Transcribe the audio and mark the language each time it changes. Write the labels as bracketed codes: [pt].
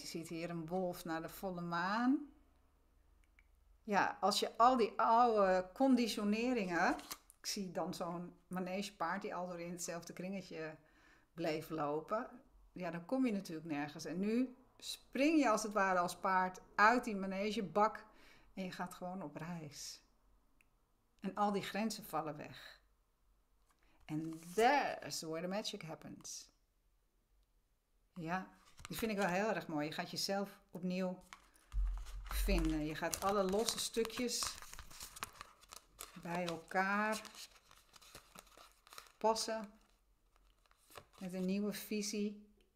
[nl] Je ziet hier een wolf naar de volle maan. Ja, als je al die oude conditioneringen... Ik zie dan zo'n manegepaard die al door in hetzelfde kringetje bleef lopen. Ja, dan kom je natuurlijk nergens. En nu spring je als het ware als paard uit die manegebak... En je gaat gewoon op reis. En al die grenzen vallen weg. [en] And there's where the magic happens. [nl] Ja, die vind ik wel heel erg mooi. Je gaat jezelf opnieuw vinden. Je gaat alle losse stukjes bij elkaar passen. Met een nieuwe visie.